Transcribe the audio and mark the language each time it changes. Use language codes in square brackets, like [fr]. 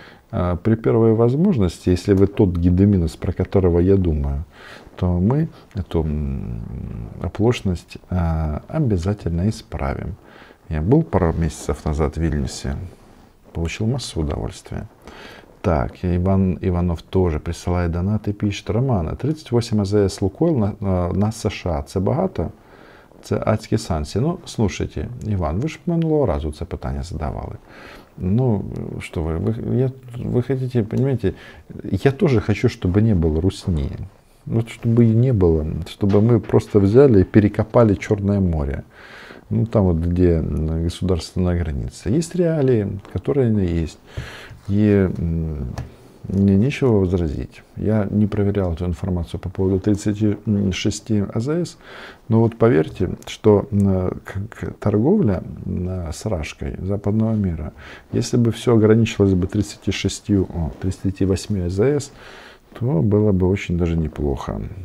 [ru] При первой возможности, если вы тот Гедиминас, про которого я думаю, то мы эту оплошность обязательно исправим. Я был пару месяцев назад в Вильнюсе, получил массу удовольствия. Так, Иван Иванов тоже присылает донаты, пишет, Романа, 38 АЗС Лукойл на США, [uk] це багато? Це адські санкції. Ну, слушайте, Іван, ви ж минулого разу це питання задавали. Ну, що ви, ви хочете, розумієте, я теж хочу, щоб не було русні. Ну, щоб її не було, щоб ми просто взяли і перекопали Чорне море. Ну, там от, де государственна границя. Є реалії, які не є. І мені нічого возразити. [ru] Я не проверял эту информацию по поводу 36 АЗС, но вот поверьте, что торговля с Рашкой западного мира, если бы все ограничилось бы 38 АЗС, то было бы очень даже неплохо.